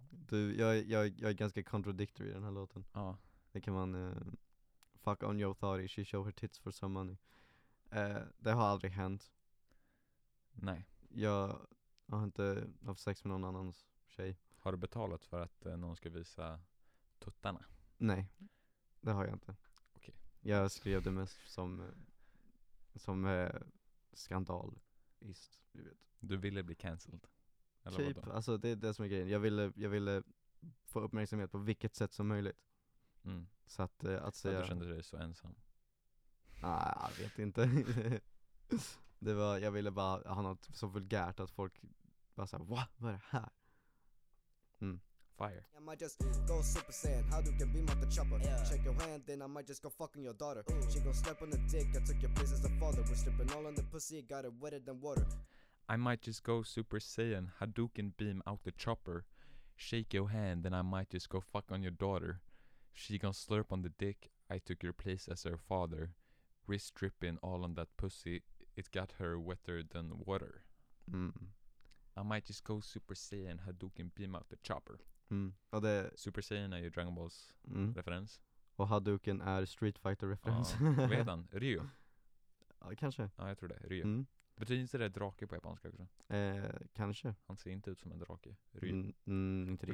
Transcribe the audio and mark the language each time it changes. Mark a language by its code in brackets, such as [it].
[sv] Jag är ganska contradictory i den här låten. Ja. Det kan man... [en] fuck on your thotty, she show her tits for some money. [sv] Det har aldrig hänt. Nej. Jag har inte haft sex med någon annans tjej. Har du betalat för att någon ska visa tuttarna? Nej, det har jag inte. Okej. Okay. Jag skrev det mest som... som skandalist, du vet. Du ville bli cancelled. Typ, alltså det är det som är grejen. Jag ville få uppmärksamhet på vilket sätt som möjligt. Mm. Så att säga. Du kände dig så ensam. Nej, jag vet inte. Det var, jag ville bara ha något så vulgärt att folk bara såhär, vad är det här? Mm. [en] Fire. I might just go super saiyan. How do you can be my chopper? Yeah. Shake your hand, then I might just go fucking your daughter. Ooh. She gon' step on the dick. I took your place as a father. We're stripping all on the pussy. Got it wetter than water. I might just go super saiyan. Hadouken beam out the chopper. Shake your hand, then I might just go fuck on your daughter. She gon' slurp on the dick. I took your place as her father. Wrist stripping all on that pussy. It got her wetter than water. Mm. I might just go super saiyan. Hadouken beam out the chopper. [sv] Mm. Och det, Super Saiyan är ju Dragon Balls referens. Och Hadouken är Street Fighter referens. Ja, vad heter han? Ryu? Ja, kanske. Ja, jag tror det. Ryu. Mm. Betyder inte det drake på japanska också? Kanske. Han ser inte ut som en drake. Ryu. Inte riktigt.